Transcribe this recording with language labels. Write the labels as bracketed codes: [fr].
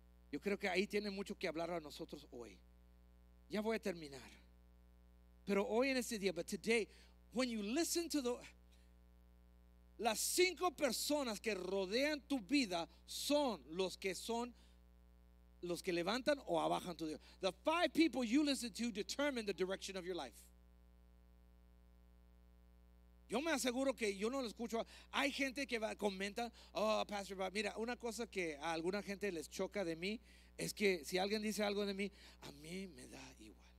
[es] Yo creo que ahí tiene mucho que hablar a nosotros hoy. Ya voy a terminar. Pero hoy en este día, [en] but today, when you listen to the... [es] Las cinco personas que rodean tu vida son los que son los que levantan o abajan tu vida. [en] The five people you listen to determine the direction of your life. [es] Yo me aseguro que yo no lo escucho. Hay gente que comenta, oh, Pastor Bob, mira, una cosa que a alguna gente les choca de mí es que si alguien dice algo de mí, a mí me da igual.